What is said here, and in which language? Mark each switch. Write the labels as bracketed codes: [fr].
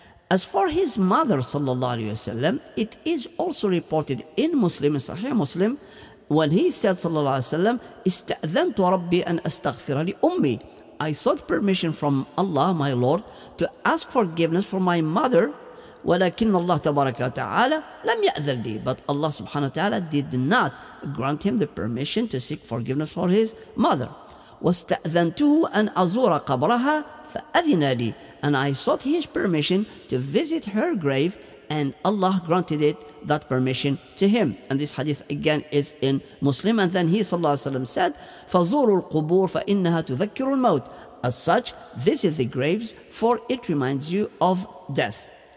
[en] As for his mother, sallallahu alayhi wasallam, it is also reported in Muslim, in Sahih Muslim, when he said, sallallahu alayhi wasallam, "Ista'dhantu Rabbi an astaghfira li ummi." I sought permission from Allah, my Lord, to ask forgiveness for my mother. [ar] "Walakin Allah tabaraka wa ta'ala lam ya'dhir li." [en] But Allah subhanahu wa ta'ala did not grant him the permission to seek forgiveness for his mother. [ar] "واستأذنته أن أزور قبرها فأذن لي." [en] And I sought his permission to visit her grave, and Allah granted it, that permission, to him. And this hadith again is in Muslim. And then he, sallallahu alaihi wasallam, said, "فَزُورُوا الْقُبُورَ فَإِنَّهَا تُذَكِّرُ الْمَوْتِ." As such, visit the graves, for it reminds you of death.